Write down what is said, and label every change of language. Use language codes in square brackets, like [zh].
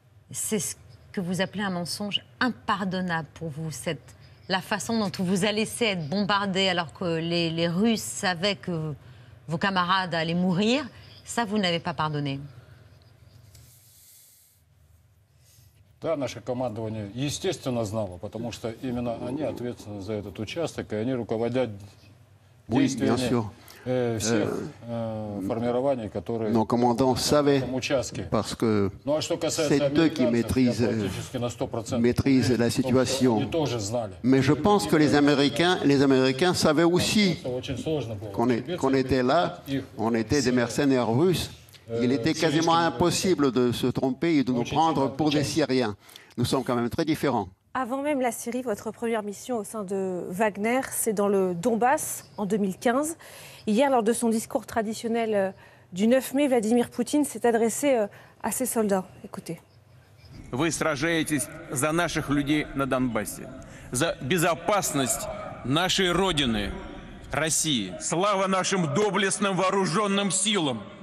[fr] C'est ce que vous appelez un mensonge impardonnable pour vous, cette... La façon dont vous a laissé être bombardé alors que les Russes savaient que vos camarades allaient mourir, ça vous n'avez pas pardonné. [ru] Да, наше командование естественно знало, потому что именно они ответственны за этот участок, и они руководят действиями формирований, которые на этом участке. [fr] Parce que c'est eux qui maîtrisent la situation. Mais je pense que les Américains savaient aussi qu'on était là, on était des mercenaires russes. Il était quasiment impossible de se tromper et de nous prendre pour des Syriens. Nous sommes quand même très différents. Avant même la Syrie, votre première mission au sein de Wagner, c'est dans le Donbass en 2015. Hier, lors de son discours traditionnel du 9 mai, Vladimir Poutine s'est adressé à ses soldats. Écoutez. Vous vous battez pour nos soldats dans le Donbass, pour la sécurité de notre pays, la Russie. [ru] Слава нашим доблестным вооруженным силам!